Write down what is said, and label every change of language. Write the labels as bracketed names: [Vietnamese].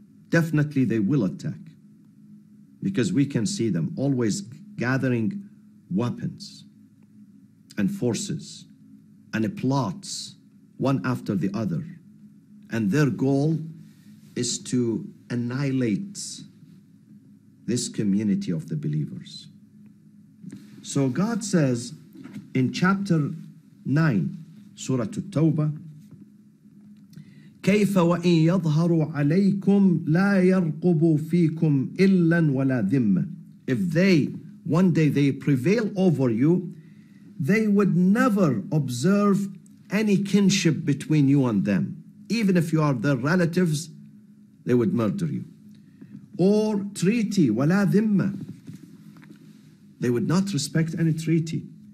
[English] Definitely they will attack. Because we can see them always gathering weapons and forces and plots one after the other. And their goal is to annihilate this community of the believers. So God says in chapter 9, Surah At-Tawbah, [Arabic] كَيْفَ وَإِنْ يَظْهَرُوا عَلَيْكُمْ لَا يَرْقُبُوا فِيكُمْ إِلَّا وَلَا ذِمَّ. [English] If they, one day they prevail over you, they would never observe any kinship between you and them. Even if you are their relatives, they would murder you. Or treaty, [Arabic] وَلَا ذِمَّ. [English] They would not respect any treaty.